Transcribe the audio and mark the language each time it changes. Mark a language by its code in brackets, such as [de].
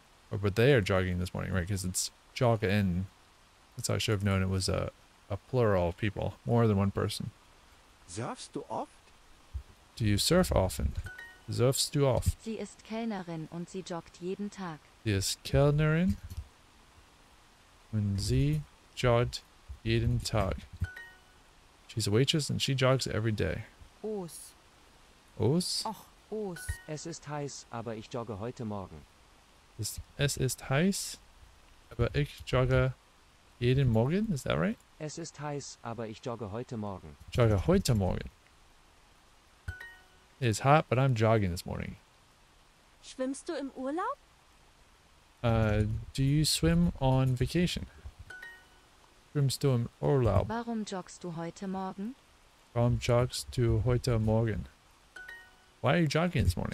[en] Or, but they are jogging this morning, right? Because it's joggen. That's how I should have known it was a plural of people, more than one person. [de] Surfst du oft? [en] Do you surf often? [de] Surfst du oft? Sie ist Kellnerin und sie joggt jeden Tag. Sie ist Kellnerin und sie joggt jeden Tag. [en] She's a waitress and she jogs every day. Os. Os? Ach, os. [de] Es ist heiß, aber ich jogge heute Morgen. Es ist heiß, aber ich jogge jeden Morgen, [en] is that right? [de] Es ist heiß, aber ich jogge heute Morgen. Jogge heute Morgen. [en] It is hot, but I'm jogging this morning. [de] Schwimmst du im Urlaub? [en] Do you swim on vacation? [de] Schwimmst du im Urlaub? Warum joggst du heute Morgen? Warum joggst du heute Morgen? [en] Why are you jogging this morning?